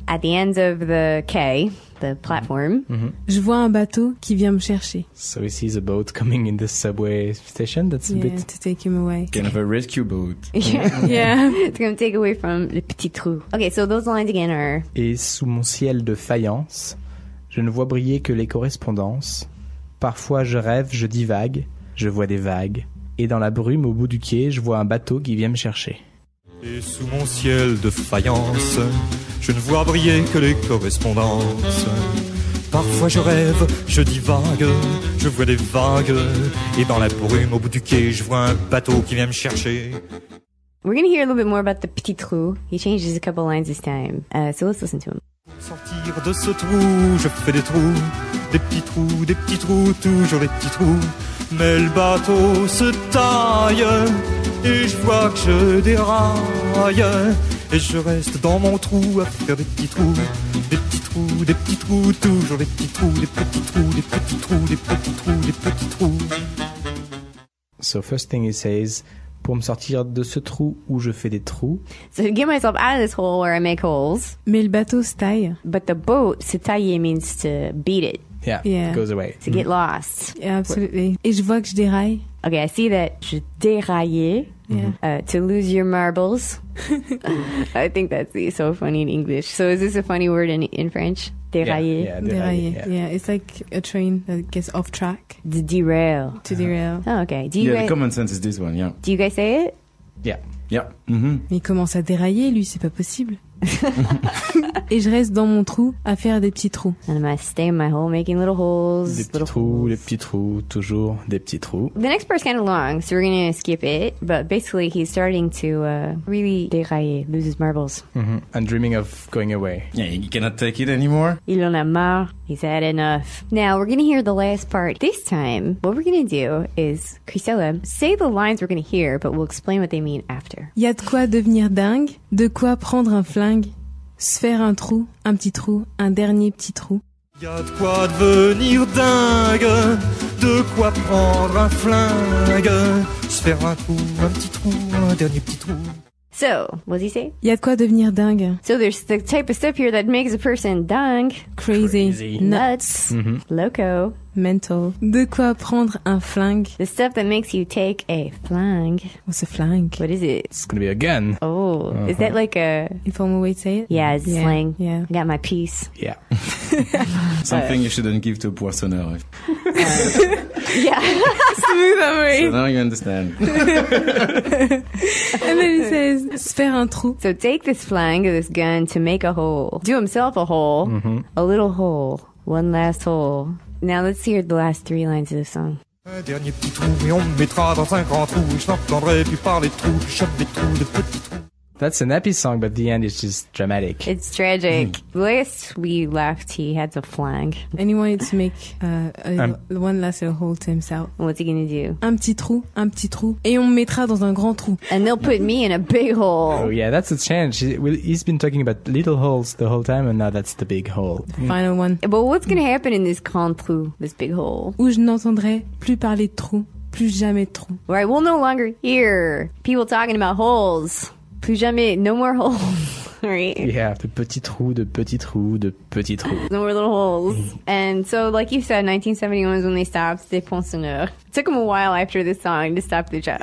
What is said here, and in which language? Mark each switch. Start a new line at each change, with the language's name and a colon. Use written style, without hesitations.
English: At the end of the quay, the platform.
French: Je vois un bateau qui vient me chercher.
English: So he sees a boat coming in the subway station. That's a bit... to take him away. Kind of a rescue boat. It's going to take away from le petit trou. Okay, so those lines again are...
French: Et sous mon ciel de faïence, je ne vois briller que les correspondances. Parfois je rêve, je divague, je vois des vagues. Et dans la brume au bout du quai, je vois un bateau qui vient me chercher. Et sous mon ciel de faïence, je ne vois briller que les correspondances. Parfois je rêve, je divague, je vois des vagues. Et dans la brume au bout du quai, je vois un bateau qui vient me chercher.
English: We're going to hear a little bit more about the petit trou. He changes a couple lines this time. So let's listen to him.
French: Sortir de ce trou, je fais des petits trous, toujours des petits trous. Mais le bateau se taille et je vois que je déraille. Et je reste dans mon trou à faire des petits trous, des petits trous, des petits trous, toujours des petits trous, des petits trous, des petits trous, des petits trous, des petits trous.
English: So first thing he says,
French: pour me sortir de ce trou où je fais des trous.
English: So to get myself out of this hole where I make holes.
French: Mais le bateau se taille.
English: But the boat,
French: se tailler
English: means to beat it. Yeah, it goes away. To get lost. Yeah, absolutely.
French: Et je vois que je déraille.
English: Okay, I see that
French: je déraillais.
English: Yeah. To lose your marbles. I think that's so funny in English. So is this a funny word in French?
French: Dérailler.
English: Yeah, dérailler. Yeah, it's like a train that gets off track. To derail. To derail. Oh, okay. The common sense is this one, yeah. Do you guys say it? Yeah. Yeah. Mm-hmm.
French: Mais il commence à dérailler, lui, c'est pas possible. Et je reste dans mon trou à faire des petits trous.
English: And I stay in my hole making little holes.
French: Des petits trous, les petits trous, toujours des petits trous.
English: The next part's kind of long, so we're going to skip it. But basically, he's starting to really dérailler, lose his marbles. Mm-hmm. And dreaming of going away. Yeah, he cannot take it anymore.
French: Il en a marre.
English: He's had enough. Now, we're going to hear the last part. This time, what we're going to do is, Christella, say the lines we're going to hear, but we'll explain what they mean after.
French: Y a de quoi devenir dingue, de quoi prendre un flingue, se faire un petit trou, un dernier petit trou. Y a de quoi devenir dingue, de quoi prendre un flingue, se faire un trou, un petit trou, un dernier petit trou.
English: So, what does he say?
French: Y a de quoi devenir dingue.
English: So there's the type of stuff here that makes a person dingue. Crazy. Nuts. Mm-hmm. Loco. Mental.
French: De quoi prendre un flingue.
English: The stuff that makes you take a flingue. What's a flingue? What is it? It's gonna be a gun. Oh, uh-huh. Is that like a... informal way to say it? Yeah, it's a slang. Yeah. I got my piece. Yeah. Something you shouldn't give to a poissonneur. Yeah. Smooth that way. So now you understand. And then he says,
French: se faire un trou.
English: So take this flingue, this gun, to make a hole. Do himself a hole. Mm-hmm. A little hole. One last hole. Now let's hear the last three lines of the song.
French: Un dernier petit trou, et on me mettra dans un grand trou, et je n'entendrai plus parler de trous, je chope des trous, de petits trous.
English: That's an happy song, but the end is just dramatic. It's tragic. Mm. Last we left, he had to flang. And he wanted to make one last little hole to himself. What's he going to do?
French: Un petit trou, et on me mettra dans un grand trou.
English: And they'll put me in a big hole. Oh, yeah, that's a change. He's been talking about little holes the whole time, and now that's the big hole. Final one. But what's going to happen in this grand trou, this big hole?
French: Où je n'entendrai plus parler de trous, plus jamais de trous.
English: Right, we'll no longer hear people talking about holes.
French: Plus jamais,
English: no more holes, right?
French: Yeah, de petits trous, de petits trous, de petits trous.
English: No more little holes. And so, like you said, 1971 is when they stopped Des Poinçonneurs. It took them a while after this song to stop the job.